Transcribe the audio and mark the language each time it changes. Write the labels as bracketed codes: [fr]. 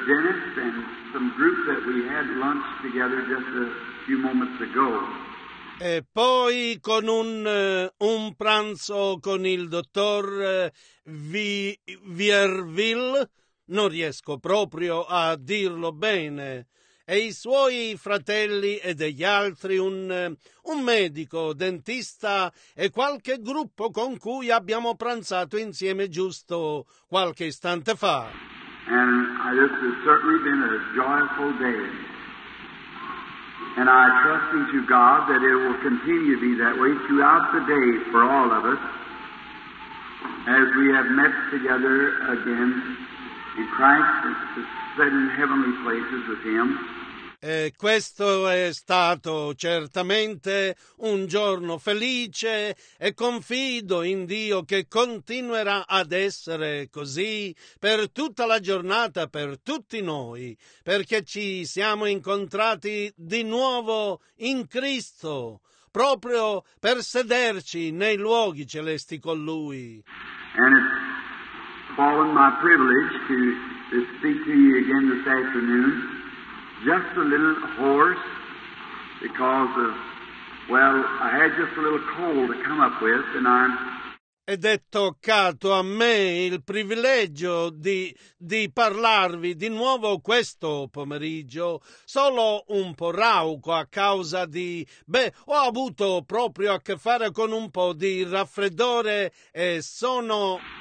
[en] Dennis and some group that we had lunch together just a few moments ago. [it] E poi con un pranzo con il dottor Vierville, non riesco proprio a dirlo bene, e i suoi fratelli e degli altri, un medico, dentista e qualche gruppo con cui abbiamo pranzato insieme giusto qualche istante fa. [en] And this has certainly been a joyful day. And I trust in to God that it will continue to be that way throughout the day for all of us as we have met together again in Christ set in heavenly places with him. [it] E questo è stato certamente un giorno felice e confido in Dio che continuerà ad essere così per tutta la giornata, per tutti noi, perché ci siamo incontrati di nuovo in Cristo, proprio per sederci nei luoghi celesti con Lui. [en] And it's fallen my privilege to speak to you again this afternoon. Just a little hoarse because of, well, I had just a little cold to come up with, and I'm. [it] Ed è toccato a me il privilegio di parlarvi di nuovo questo pomeriggio, solo un po' rauco a causa di, ho avuto proprio a che fare con un po' di raffreddore e sono.